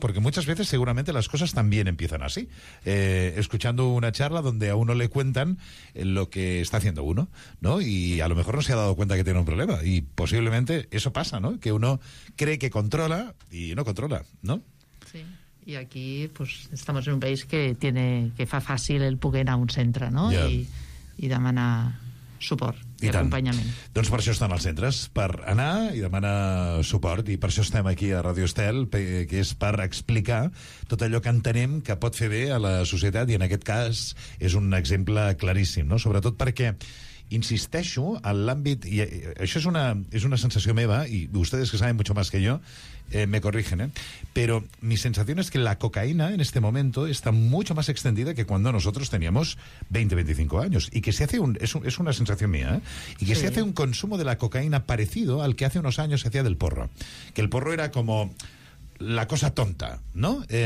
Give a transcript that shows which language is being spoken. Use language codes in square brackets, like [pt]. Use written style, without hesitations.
[es] Porque muchas veces seguramente las cosas también empiezan así. Escuchando una charla donde a uno le cuentan lo que está haciendo uno, ¿no? Y a lo mejor no se ha dado cuenta que tiene un problema. Y posiblemente eso pasa, ¿no? Que uno cree que controla y no controla, ¿no? Sí. Y aquí, pues, estamos en un país que fa fácil el poder ir a un centro, ¿no? [en] Yeah. [ca] I demanar suport i acompanyament. Doncs per això estan els centres, per anar i demanar suport. I per això estem aquí a Radio Estel, que és per explicar tot allò que entenem que pot fer bé a la societat. I en aquest cas és un exemple claríssim, no? Sobretot perquè, insisteixo, en l'àmbit... I això és una sensació meva, i vostès que saben [es] mucho más [ca] que jo, [es] me corrigen, [ca] ¿eh? [es] Pero mi sensación es que la cocaína en este momento está mucho más extendida que cuando nosotros teníamos 20, 25 años. Y que se hace es una sensación mía, ¿eh? Y que sí. Se hace un consumo de la cocaína parecido al que hace unos años se hacía del porro. Que el porro era como la cosa tonta, ¿no?